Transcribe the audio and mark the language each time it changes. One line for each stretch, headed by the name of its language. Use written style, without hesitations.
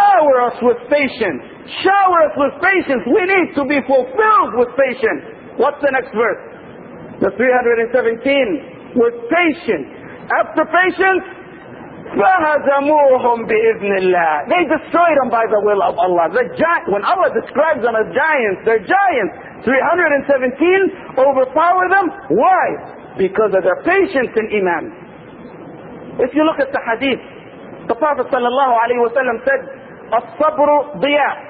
English: Shower us with patience. We need to be fulfilled with patience. What's the next verse? The 317. With patience. After patience,
Arabic: فَهَزَمُوهُمْ بِإِذْنِ اللَّهِ.
English: They destroyed them by the will of Allah. The giant, when Allah describes them as giants, they're giants. 317 overpower them. Why? Because of their patience in iman. If you look at the hadith, the Prophet sallallahu alayhi wa sallam said, "As-sabru diya."